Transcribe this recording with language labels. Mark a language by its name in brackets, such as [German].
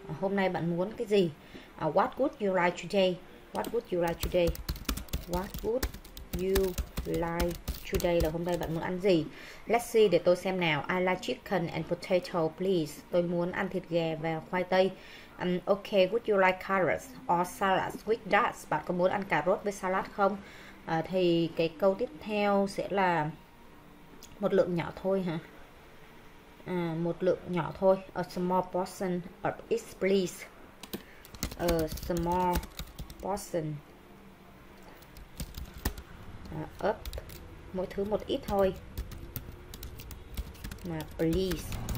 [Vietnamese] Hôm nay bạn muốn cái gì? [English] What would you like today? What would you like today? What would you like today? [Vietnamese] Là hôm nay bạn muốn ăn gì? [English] Let's see, [Vietnamese] để tôi xem nào. [English] I like chicken and potato, please. [Vietnamese] Tôi muốn ăn thịt gà và khoai tây. [English] Okay, would you like carrots or salad with that? [Vietnamese] Bạn có muốn ăn cà rốt với salad không? Thì cái câu tiếp theo sẽ là một lượng nhỏ thôi hả? Một lượng nhỏ thôi. [English] A small portion of it, please. A small portion up, [Vietnamese] mỗi thứ một ít thôi mà, please.